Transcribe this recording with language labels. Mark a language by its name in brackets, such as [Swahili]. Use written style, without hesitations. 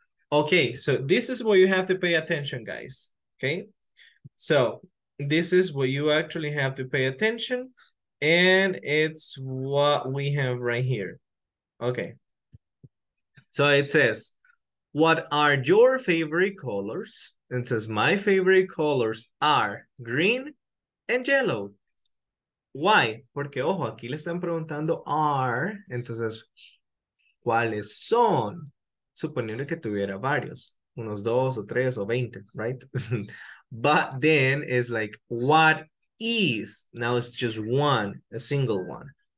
[English] Okay, so this is where you have to pay attention, guys. Okay, so this is what you actually have to pay attention, and it's what we have right here. Okay, so it says, what are your favorite colors? And it says, my favorite colors are green and yellow. Why? [Spanish] Porque, ojo, aquí le están preguntando are, entonces, ¿cuáles son? Suponiendo que tuviera varios. Unos dos o tres o veinte, right? [English] But then it's like, what is, now it's just one, a single one.